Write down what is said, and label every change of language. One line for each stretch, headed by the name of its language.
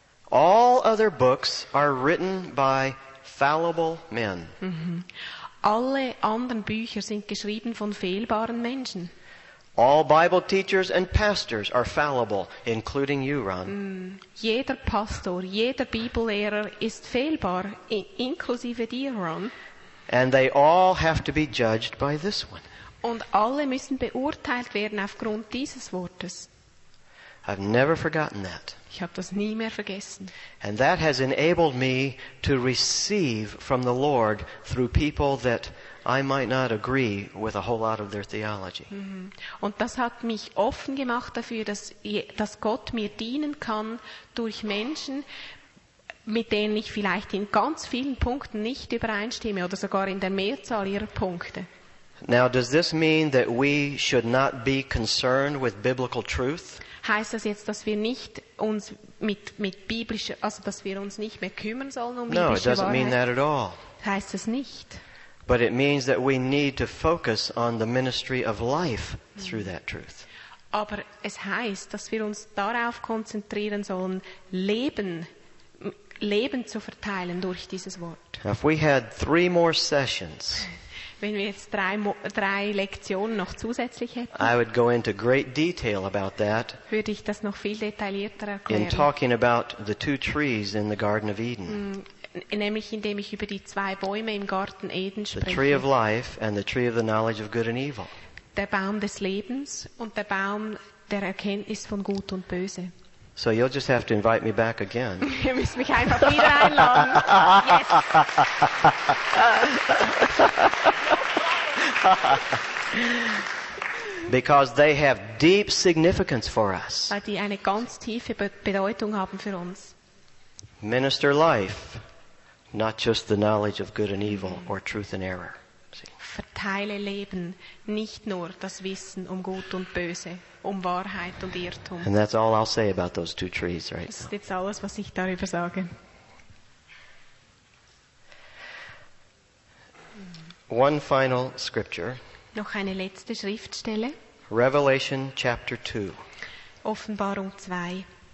English: All other books are written by fallible men.
German: Alle anderen Bücher sind geschrieben von fehlbaren Menschen.
English: All Bible teachers and pastors are fallible, including you, Ron.
German: Jeder Pastor, jeder Bibellehrer ist fehlbar, inklusive dir, Ron.
English: And they all have to be judged by this one.
German: Und alle müssen beurteilt werden aufgrund dieses Wortes.
English: I've never forgotten that.
German: Ich habe das nie mehr vergessen.
English: And that has enabled me to receive from the Lord through people that I might not agree with a whole lot of their theology.
German: Und das hat mich offen gemacht dafür, dass Gott mir dienen kann durch Menschen, mit denen ich vielleicht in ganz vielen Punkten nicht übereinstimme oder sogar in der Mehrzahl ihrer Punkte.
English: Now, does this mean that we should not be concerned with biblical truth?
German: Heißt das jetzt, dass wir nicht uns mit biblischer, also dass wir uns nicht mehr kümmern sollen um biblische Wahrheit?
English: No, it doesn't mean that at all.
German: Heißt das nicht?
English: But it means that we need to focus on the ministry of life through that truth.
German: Aber es heißt, dass wir uns darauf konzentrieren sollen, Leben zu verteilen durch dieses Wort.
English: Now, if we had three more sessions,
German: wenn wir jetzt drei Lektionen noch zusätzlich hätten,
English: I would go into great detail about that,
German: würde ich das noch viel detaillierter erklären.
English: In talking about the two trees in the Garden of Eden.
German: Nämlich indem ich über die zwei Bäume im Garten Eden spreche.
English: The tree of life and the tree of the knowledge of good and evil.
German: Der Baum des Lebens und der Baum der Erkenntnis von Gut und Böse.
English: So you'll just have to invite me back again.
German: Ihr müsst mich einfach wieder einladen.
English: Yes. Because they have deep significance for us.
German: Weil die eine ganz tiefe Bedeutung haben für uns.
English: Minister life, not just the knowledge of good and evil or truth and error. See?
German: Verteile Leben, nicht nur das Wissen um Gut und Böse, um Wahrheit und Irrtum.
English: And that's all I'll say about those two trees right now.
German: Das ist jetzt alles, was ich darüber sage.
English: One final scripture.
German: Noch eine letzte Schriftstelle.
English: Revelation chapter 2.
German: Offenbarung 2.